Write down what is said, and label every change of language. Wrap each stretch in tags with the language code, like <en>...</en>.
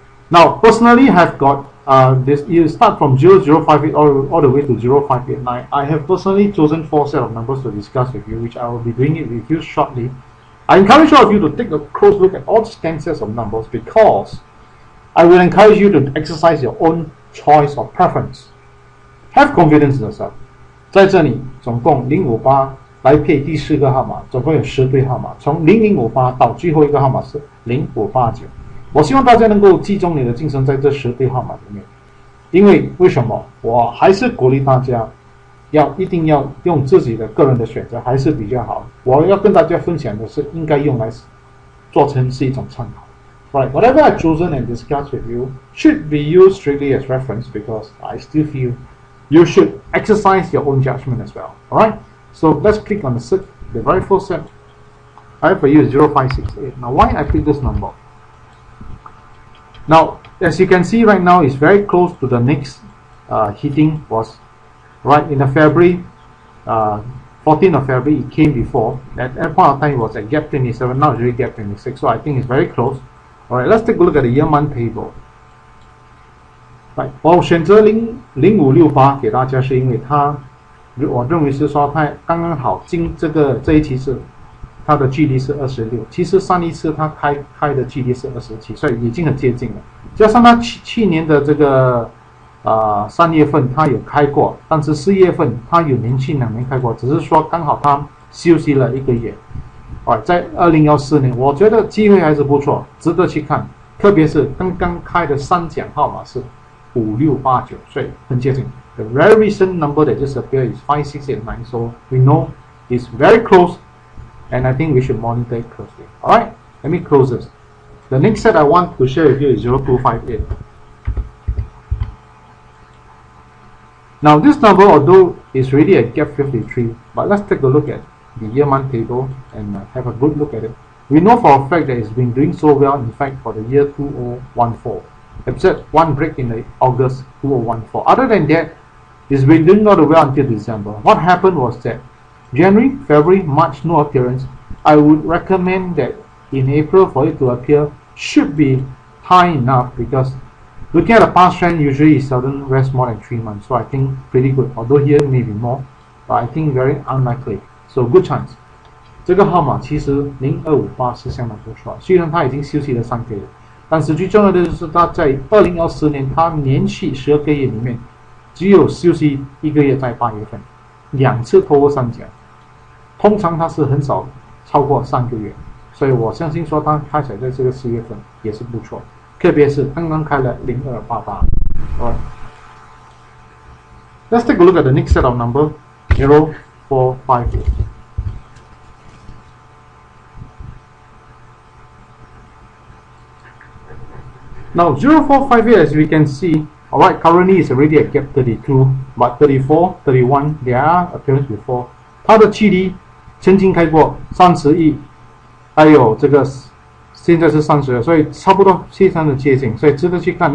<en>Now, personally, I've got this. You start from 0058 all the way to 0589. I have personally chosen four set of numbers to discuss with you, which I will be doing it with you shortly. I encourage all of you to take a close look at all 10 sets of numbers because I will encourage you to exercise your own choice or preference. Have confidence in yourself.</en> <zh>在这里，总共 058来配第四个号码，总共有10对号码。从0058到最后一个号码是 0589。我希望大家能够集中你的精神在这10对号码里面，因为为什么？我还是鼓励大家要一定要用自己的个人的选择，还是比较好。我要跟大家分享的是，应该用来做成是一种参考。</zh> <en>Right, whatever I've chosen and discussed with you should be used strictly as reference because I still feel you should exercise your own judgment as well. All right, so let's click on the search, the very first set. I have for you 0568. Now, why I pick this number? Now, as you can see right now, it's very close to the next hitting was right in the February, 14th of February, it came before. At that point of time, it was at gap 27, now it's really gap 26, so I think it's very close. Alright, let's take a look at the year-month table.</en> <zh>Right, 我选择 0568给大家是因为它, 我认为是说它刚刚好进这个这一期是 它的距离是26, 其实上一次它开的距离是27, 所以已经很接近了。加上它去年的这个三月份它有开过, 但是4月份它有连续两年开过, 只是说刚好它休息了一个月。在2014年, 我觉得机会还是不错, 值得去看, 特别是刚刚开的三奖号码是 5689, 所以很接近。</zh> <en>The very recent number that just appeared is 5689, so we know it's very close. And I think we should monitor it closely. Alright, let me close this. The next set I want to share with you is 0258. Now this number, although it's really at gap 53, but let's take a look at the year-month table and have a good look at it. We know for a fact that it's been doing so well, in fact, for the year 2014. Except one break in the August 2014. Other than that, it's been doing not well until December. What happened was that January, February, March, no appearance. I would recommend that in April for it to appear should be high enough because looking at the past trend, usually it seldom rests more than 3 months. So I think pretty good. Although here maybe more, but I think very unlikely. So good chance.</en> <zh>这个号码其实0258是相当不错，虽然它已经休息了3个月，但是最重要的就是它在2014年它连续12个月里面只有休息一个月在8月份，2次脱过3奖。通常它是很少超过3个月，所以我相信说它开采在这个4月份也是不错。OK, 特别是刚刚开了 0288 right.</zh> <en>Let's take a look at the next set of number 0454. Now 0458, as we can see, all right, currently is already at gap 32, but 34, 31, there are appearance before.</en> <zh>它的7D 曾经开过31, 还有这个现在是 30, 所以差不多C3的接近, 所以值得去看.</zh>